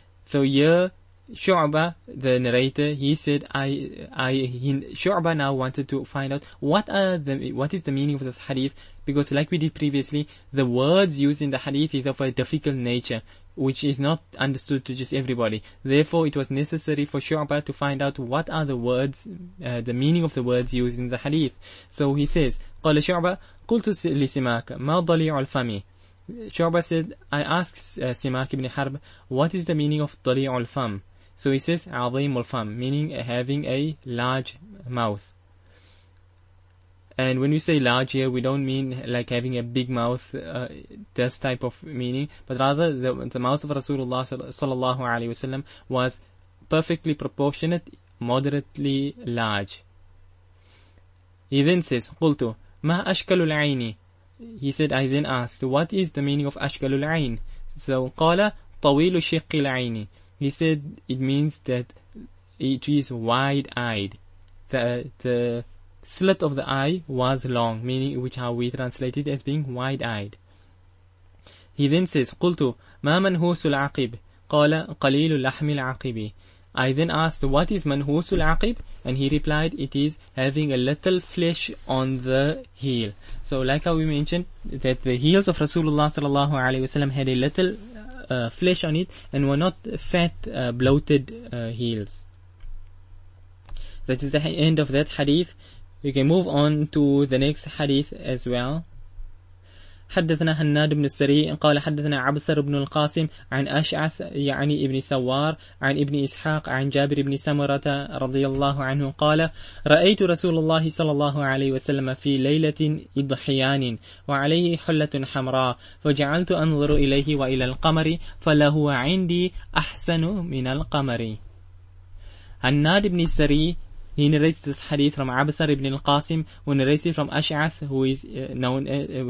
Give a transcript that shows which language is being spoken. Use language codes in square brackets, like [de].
[en] So here, Shu'bah, the narrator, he said, Shu'bah now wanted to find out what is the meaning of this hadith, because like we did previously, the words used in the hadith is of a difficult nature. which is not understood to just everybody. Therefore, it was necessary for Shu'bah to find out what are the words, the meaning of the words used in the hadith. So he says, [ar] قَالَ شُعْبَةَ قُلْتُ لِسِمَاكَ مَا ضَلِيعُ الْفَمِ. [en] Shu'bah said, I asked Simak ibn Harb, what is the meaning of [ar] ضَلِيعُ الْفَمِ? [en] So he says, [ar] عَظِيمُ الْفَمِ, [en] meaning having a large mouth. And when we say large here, we don't mean like having a big mouth, this type of meaning, but rather the mouth of Rasulullah sallallahu alaihi wasallam was perfectly proportionate, moderately large. He then says, [ar] قُلْتُ مَا أَشْكَلُ الْعَيْنِ. [en] He said, I then asked, what is the meaning of [ar] أَشْكَلُ الْعَيْنِ? So, قَالَ طَوِيلُ شِقِّ الْعَيْنِ. [en] He said, it means that it is wide-eyed. The slit of the eye was long, meaning which how we translate it as being wide-eyed. He then says, [ar] قُلْتُ مَا مَنْهُوسُ الْعَقِبِ. قَالَ قَلِيلُ لَحْمِ الْعَقِبِ. [en] I then asked, what is manhus al-aqib? And he replied, it is having a little flesh on the heel. So like how we mentioned, that the heels of Rasulullah sallallahu alaihi wasallam had a little flesh on it, and were not fat, bloated heels. That is the end of that hadith. We can move on to the next hadith as well. [ar] حدثنا هناد بن السري قال حدثنا عبثر بن القاسم عن أشعث يعني ابن سوار عن ابن إسحاق عن جابر بن سمرة رضي الله عنه قال رأيت رسول الله صلى الله عليه وسلم في ليلة إضحيان وعليه حلة حمراء فجعلت أنظر إليه وإلى القمر فلهو عندي أحسن من القمر. [en] هناد بن السري, he narrates this hadith from Abthar ibn al-Qasim, who narrates it from Ash'ath, who is known as